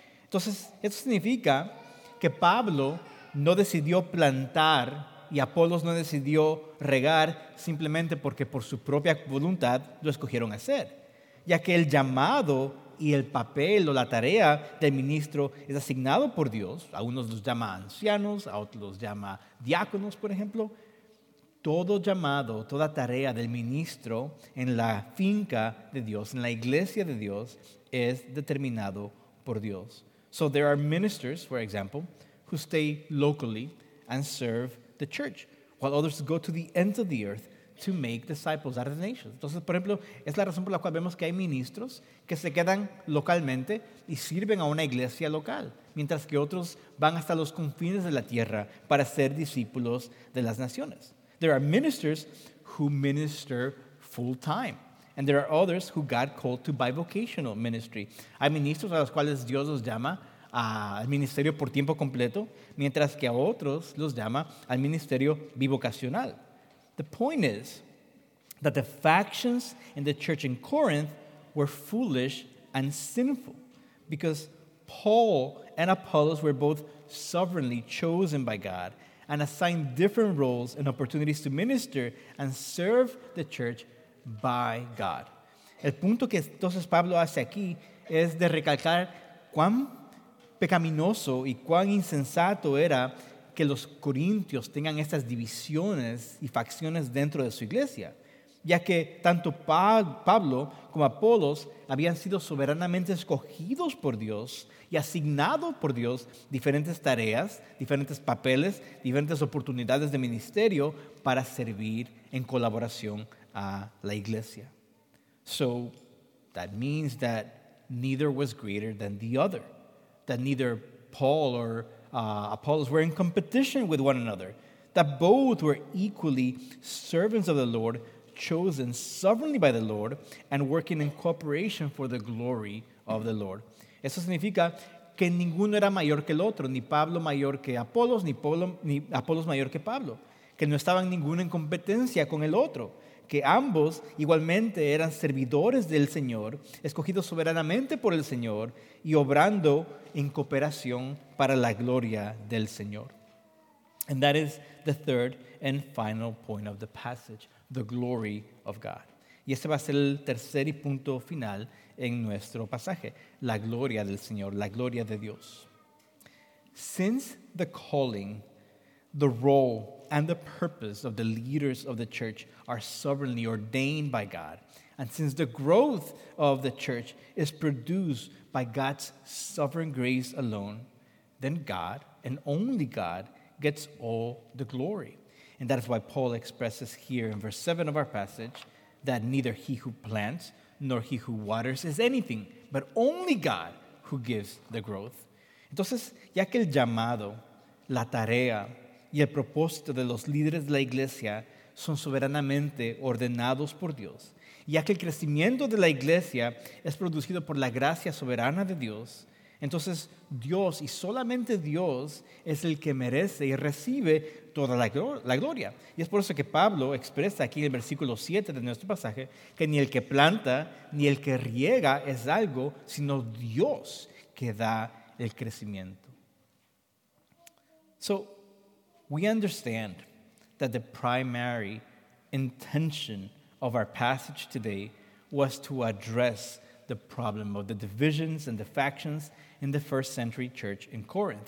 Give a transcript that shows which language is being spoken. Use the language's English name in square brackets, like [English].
[Spanish] Entonces, esto significa que Pablo no decidió plantar y Apollos no decidió regar simplemente porque por su propia voluntad lo escogieron hacer, ya que el llamado y el papel o la tarea del ministro es asignado por Dios. A unos los llama ancianos, a otros los llama diáconos, por ejemplo. Todo llamado, toda tarea del ministro en la finca de Dios, en la iglesia de Dios, es determinado por Dios. [English] So there are ministers, for example, who stay locally and serve the church, while others go to the ends of the earth to make disciples out of the nations. [Spanish] Entonces, por ejemplo, es la razón por la cual vemos que hay ministros que se quedan localmente y sirven a una iglesia local, mientras que otros van hasta los confines de la tierra para ser discípulos de las naciones. [English] There are ministers who minister full-time, and there are others who God called to bivocational ministry. [Spanish] Hay ministros a los cuales Dios los llama al ministerio por tiempo completo, mientras que a otros los llama al ministerio bivocacional. [English] The point is that the factions in the church in Corinth were foolish and sinful because Paul and Apollos were both sovereignly chosen by God and assigned different roles and opportunities to minister and serve the church by God. [Spanish] El punto que entonces Pablo hace aquí es de recalcar cuán pecaminoso y cuán insensato era que los corintios tengan estas divisiones y facciones dentro de su iglesia, ya que tanto Pablo como Apolos habían sido soberanamente escogidos por Dios y asignados por Dios diferentes tareas, diferentes papeles, diferentes oportunidades de ministerio para servir en colaboración a la iglesia. [English] So that means that neither was greater than the other, that neither Paul or Apollos were in competition with one another, that both were equally servants of the Lord, chosen sovereignly by the Lord and working in cooperation for the glory of the Lord. [Spanish] Eso significa que ninguno era mayor que el otro, ni Pablo mayor que Apolos, ni Apolos mayor que Pablo, que no estaban ninguno en competencia con el otro, que ambos igualmente eran servidores del Señor, escogidos soberanamente por el Señor y obrando en cooperación para la gloria del Señor. [English] And that is the third and final point of the passage, the glory of God. [Spanish] Y este va a ser el tercer y punto final en nuestro pasaje, la gloria del Señor, la gloria de Dios. [English] Since the calling, the role, and the purpose of the leaders of the church are sovereignly ordained by God, and since the growth of the church is produced by God's sovereign grace alone, then God, and only God, gets all the glory. And that is why Paul expresses here in verse 7 of our passage that neither he who plants nor he who waters is anything, but only God who gives the growth. [Spanish] Entonces, ya que el llamado, la tarea y el propósito de los líderes de la iglesia son soberanamente ordenados por Dios, ya que el crecimiento de la iglesia es producido por la gracia soberana de Dios, entonces Dios y solamente Dios es el que merece y recibe toda la gloria. Y es por eso que Pablo expresa aquí en el versículo 7 de nuestro pasaje que ni el que planta ni el que riega es algo, sino Dios que da el crecimiento. [English] So, we understand that the primary intention of our passage today was to address the problem of the divisions and the factions in the first century church in Corinth.